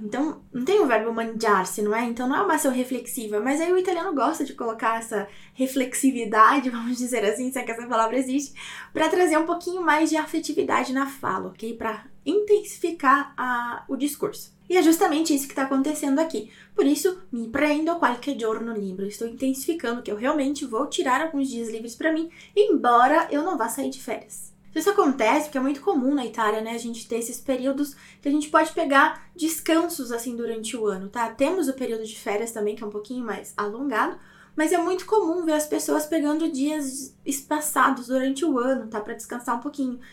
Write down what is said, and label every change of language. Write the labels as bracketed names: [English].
[Portuguese] Então, não tem o verbo mangiarsi, não é? Então, não é uma ação reflexiva, mas aí o italiano gosta de colocar essa reflexividade, vamos dizer assim, se é que essa palavra existe, para trazer um pouquinho mais de afetividade na fala, ok? Para intensificar o discurso. E é justamente isso que está acontecendo aqui. Por isso, [Italian] mi prendo qualche giorno libero. [Portuguese] Estou intensificando que eu realmente vou tirar alguns dias livres para mim, embora eu não vá sair de férias. Isso acontece porque é muito comum na Itália, né? A gente ter esses períodos que a gente pode pegar descansos assim durante o ano, tá? Temos o período de férias também, que é um pouquinho mais alongado, mas é muito comum ver as pessoas pegando dias espaçados durante o ano, tá? Pra descansar um pouquinho.